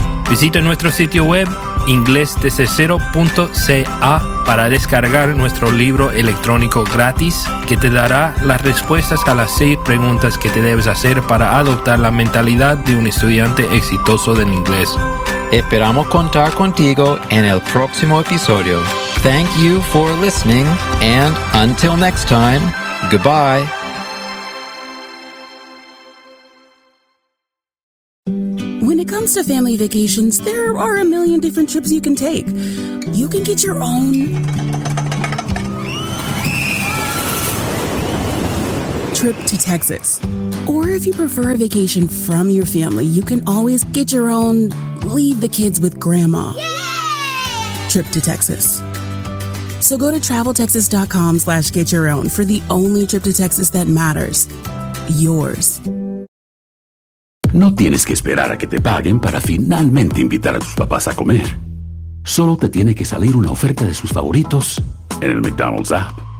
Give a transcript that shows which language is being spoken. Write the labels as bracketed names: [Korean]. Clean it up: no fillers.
[Spanish] Visita nuestro sitio web inglesdesde0.ca para descargar nuestro libro electrónico gratis que te dará las respuestas a las 6 preguntas que te debes hacer para adoptar la mentalidad de un estudiante exitoso del inglés. Esperamos contar contigo en el próximo episodio. [English] Thank you for listening, and until next time, goodbye. When it comes to family vacations, there are a million different trips you can take. You can get your own trip to Texas. Or if you prefer a vacation from your family, you can always get your own leave the kids with grandma. Yay! Trip to Texas. So go to TravelTexas.com/get-your-own for the only trip to Texas that matters. Yours. [Spanish] No tienes que esperar a que te paguen para finalmente invitar a tus papás a comer. solo te tiene que salir una oferta de sus favoritos en el McDonald's app.